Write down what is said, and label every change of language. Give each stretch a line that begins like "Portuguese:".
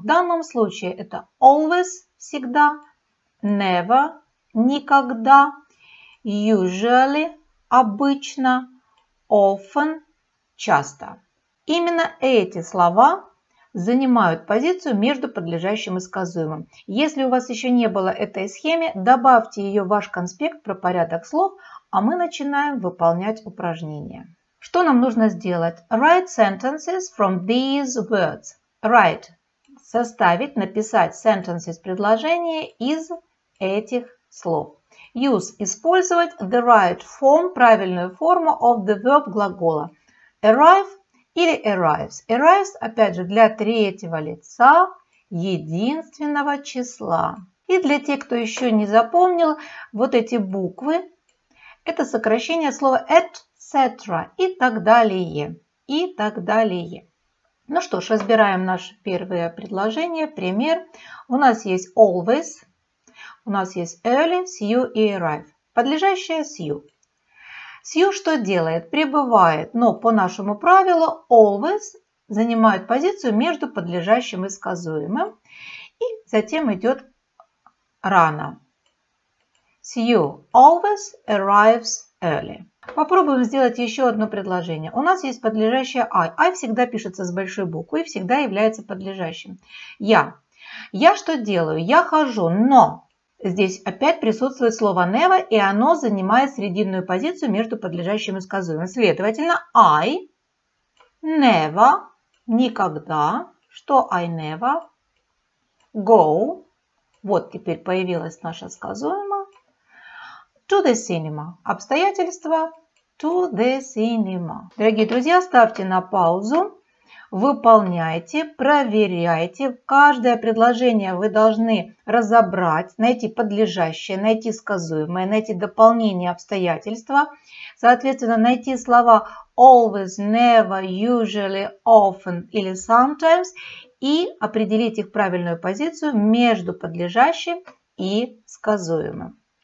Russian: В данном случае это always, всегда, never, никогда, usually, обычно, often, часто. Именно эти слова занимают позицию между подлежащим и сказуемым. Если у вас еще не было этой схемы, добавьте ее в ваш конспект про порядок слов, а мы начинаем выполнять упражнение. Что нам нужно сделать?
English: Write sentences from these words.
Russian: Write – составить, написать sentences – предложение из этих слов.
English: Use –
Russian: использовать
English: the right form –
Russian: правильную форму
English: of the verb
Russian: глагола.
English: Arrive или arrives.
Russian: Arrives, опять же, для третьего лица единственного числа. И для тех, кто еще не запомнил, вот эти буквы – это сокращение слова etc. И так далее. И так далее. Ну что ж, разбираем наше первое предложение, пример. У нас есть always. У нас есть early, see you и arrive. Подлежащее see you. See you что делает? Прибывает, но по нашему правилу always занимает позицию между подлежащим и сказуемым. И затем идет рано.
English: See you always arrives early.
Russian: Попробуем сделать еще одно предложение. У нас есть подлежащее I. I всегда пишется с большой буквы и всегда является подлежащим. Я. Я что делаю? Я хожу, но... Здесь опять присутствует слово never, и оно занимает срединную позицию между подлежащим и сказуемым. Следовательно,
English: I never,
Russian: никогда, что
English: I never, go,
Russian: вот теперь появилась наша сказуемая,
English: to the cinema,
Russian: обстоятельства,
English: to the cinema.
Russian: Дорогие друзья, ставьте на паузу. Выполняйте, проверяйте. Каждое предложение вы должны разобрать, найти подлежащее, найти сказуемое, найти дополнение обстоятельства. Соответственно, найти слова always, never, usually, often или sometimes и определить их правильную позицию между подлежащим и сказуемым.